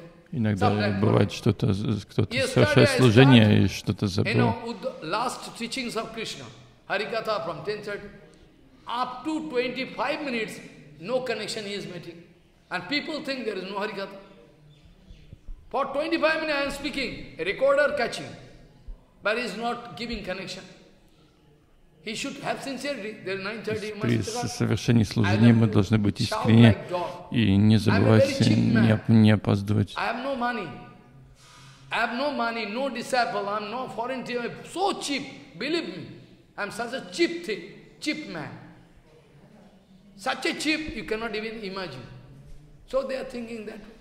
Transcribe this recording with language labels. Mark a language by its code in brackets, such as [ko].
[ru] Иногда бывает, что-то кто-то совершает служение и что-то забыл. [en] Last teachings of Krishna, Harikatha from 10:30 up to 25 minutes, no connection he is making, and people think there is no Harikatha. For 25 minutes I am speaking, a recorder catching, but he is not giving connection. He should have sincerity. There is 9:30. [ru] При совершении служения мы должны быть искренни и не забывать, не опаздывать. [en] I have no money. I have no money, no disciple, I'm no foreign team, I'm so cheap, believe me. I'm such a cheap thing, cheap man. Such a cheap, you cannot even imagine. So they are thinking that.